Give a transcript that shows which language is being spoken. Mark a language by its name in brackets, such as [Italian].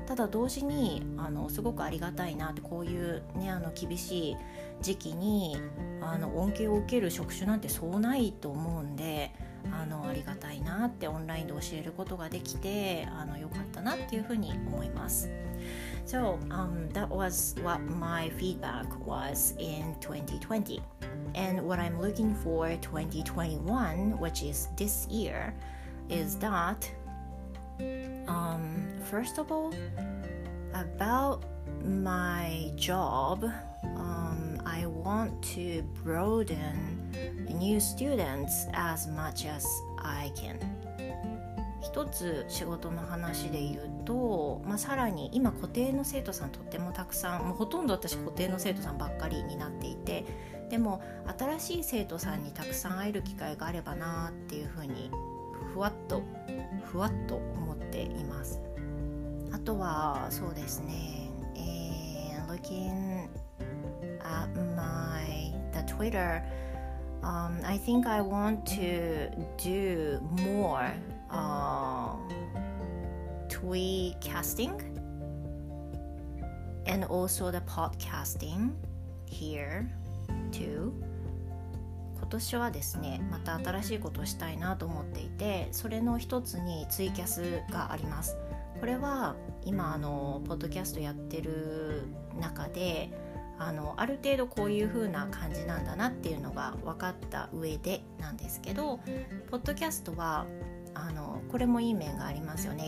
[Japanese] ただ同時にすごくありがたいなって、こういうね厳しい時期に恩恵を受ける職種なんてそうないと思うんで、ありがたいなって、オンラインで教えることができて良かったなっていうふうに思います。 [English] So, that was what my feedback was in 2020. And what I'm looking for 2021, which is this year, is that, first of all, about my job, I want to broaden new students as much as I can. [Japanese] 一つ仕事の話で言うと、まあ、さらに今固定の生徒さんとってもたくさん、もうほとんど私固定の生徒さんばっかりになっていて、でも新しい生徒さんにたくさん会える機会があればなっていうふうにふわっと思っています。あとはそうですね、 [English] looking at my the Twitter、I think I want to do moreTweet casting and also the podcasting here too. [Japanese] 今年はですね、また新しいことをしたいなと思っていて、それの一つにツイキャスがあります。これは今ポッドキャストやってる中で、ある程度こういう風な感じなんだなっていうのが分かった上でなんですけど、ポッドキャストはこれもいい面がありますよね。